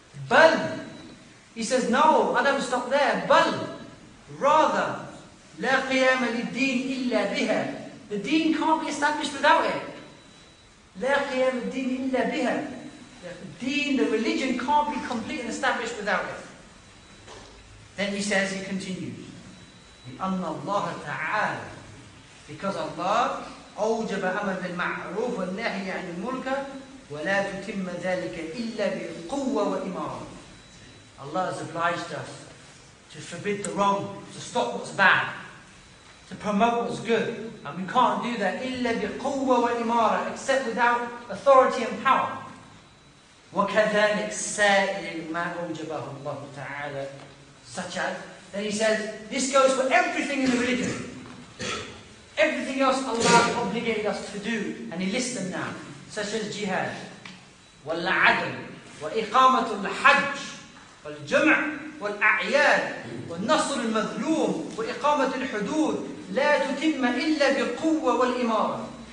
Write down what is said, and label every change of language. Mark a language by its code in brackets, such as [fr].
[en] بل, he says, no, I don't stop there. [ar] بل, [en] rather, [ar] لا قيام للدين إلا بها. [en] The deen can't be established without it. [ar] لا قيام للدين إلا بها. [en] The religion can't be complete and established without it. Then he says, he continues, [ar] لأن الله تعالى, [en] because [ar] Allah أوجب أمر بالمعروف والنهي عن المنكر ولا تتم ذلك إلا بالقوة والإمارة. [en] Allah has obliged us to forbid the wrong, to stop what's bad, to promote what's good. And we can't do that [ar] إلا بقوة وإمارة, [en] except without authority and power. [ar] وكذلك سائر ما أوجبه الله تعالى. [en] Such as, then he says, this goes for everything in the religion. Everything else Allah obligated us to do, and he lists them now, such as jihad, [ar] والعدل, وإقامة الحج, والجمع والأعياد والنصر المظلوم وإقامة الحدود لا تتم إلا بقوة والإمارة.